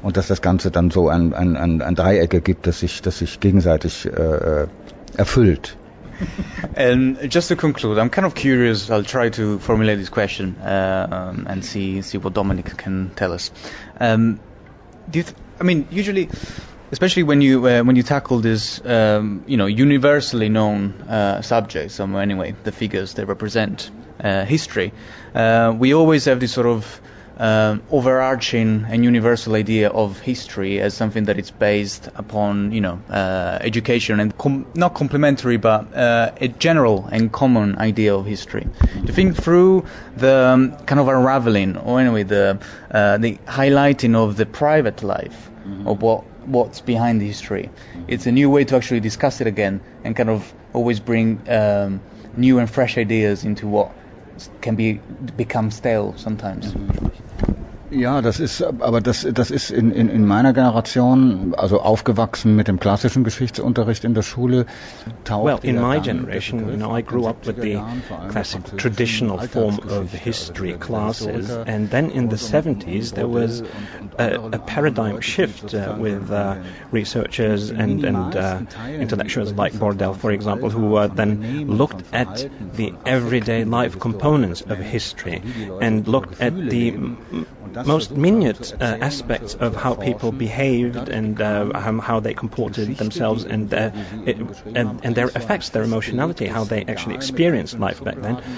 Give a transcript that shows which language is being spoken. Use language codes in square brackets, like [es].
[de] Und dass das Ganze dann so ein Dreieck gibt, dass sich gegenseitig erfüllt. [en] And just to conclude, I'm kind of curious. I'll try to formulate this question and see what Dominic can tell us. Usually, especially when you tackle this, universally known subject, so anyway, the figures that represent history, we always have this sort of overarching and universal idea of history as something that is based upon, education and not complementary, but a general and common idea of history. Do you think through the kind of unraveling, or anyway, the highlighting of the private life, mm-hmm. of what's behind the history, it's a new way to actually discuss it again and kind of always bring new and fresh ideas into what can become stale sometimes? [de] Ja, das ist, aber das ist in meiner Generation, also aufgewachsen mit dem klassischen Geschichtsunterricht in der Schule, taucht [en] Well, in my generation, I grew up with the classic traditional form of history classes, and then in the 70s there was a paradigm shift with researchers and intellectuals like Bordel, for example, who then looked at the everyday life components of history and looked at the most minute aspects of how people behaved and how they comported themselves and their effects, their emotionality, how they actually experienced life back then.